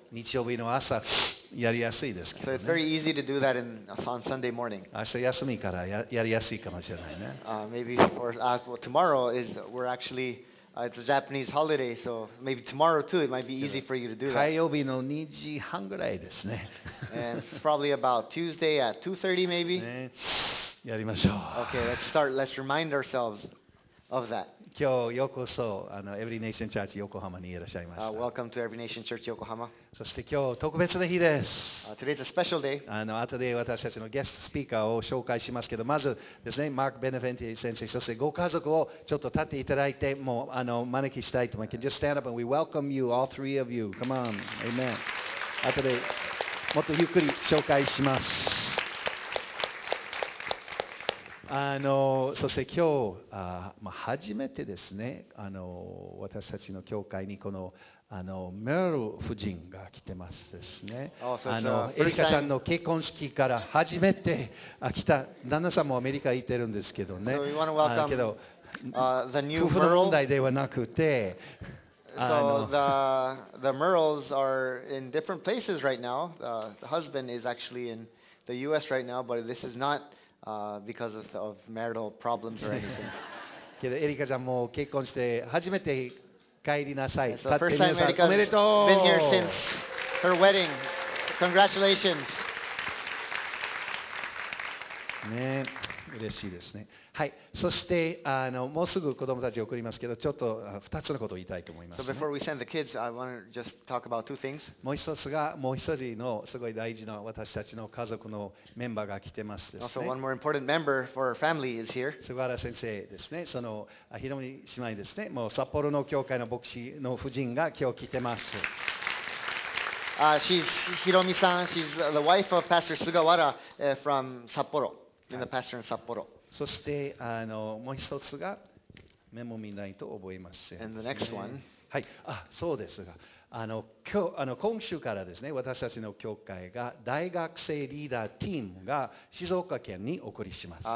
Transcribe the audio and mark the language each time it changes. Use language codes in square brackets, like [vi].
[ja] 日曜日の朝やりやすいですけどね。 [en] So it's very easy to do that on Sunday morning. [ja] 明日休みからやりやすいかもしれないね。 [en] Maybe for tomorrow is we're actually... It's a Japanese holiday, so maybe tomorrow too, it might be easy for you to do that. [ja] 火曜日の2時半ぐらいですね。 [en] And it's probably about Tuesday at 2:30 maybe. [ja] ね、やりましょう。 [en] Okay, let's start. Let's remind ourselves of that. [ja] 今日ようこそ、Every Nation Church Yokohama にいらっしゃいました。 [en] Welcome to Every Nation Church Yokohama. [ja] そして今日特別な日です。 [en] Today's a special day. [ja] 後で私たちのゲストスピーカーを紹介しますけど、まずですね、マーク・ベネフェンティ先生、そしてご家族をちょっと立っていただいて、もう招きしたいと思います。 [en] Just stand up and we welcome you, all three of you. Come on. Amen. [ja] 後でもっとゆっくり紹介します。そして今日、初めてですね、私たちの教会にこのメル夫人が来てますですね。エリカちゃんの結婚式から初めて来た旦那さんもアメリカに行ってるんですけどね。けど、夫婦の問題ではなくて、 [en] the Merles are in different places right now. The husband is actually in the U.S. right now, but this is not. Because of marital problems or anything. [ja] けどエリカちゃんも結婚して初めて帰りなさい。 [en] So first time Erika's been here since her wedding. Congratulations. [ja] ね、嬉しいですね。はい、そしてもうすぐ子供たち送りますけど、ちょっと2つのことを言いたいと思います、ね。 [en] So before we send the kids, I want to just talk about two things. [ja] もう一つが、もう一人のすごい大事な私たちの家族のメンバーが来てますですね。 [en] Also one more important member for our family is here. [ja] 菅原先生ですね、そのひろみ姉妹ですね、もう札幌の教会の牧師の夫人が今日来てます。 [en] She's Hiromi-san. She's the wife of Pastor Sugawara from Sapporo. In the pastor in Sapporo. [ja] そしてもう一つがメモ見ないと覚えません、 [en] ね。And the next one. [ja] はい、そうですが、今週からですね、私たちの教会が大学生リーダーチームが静岡県に送りします。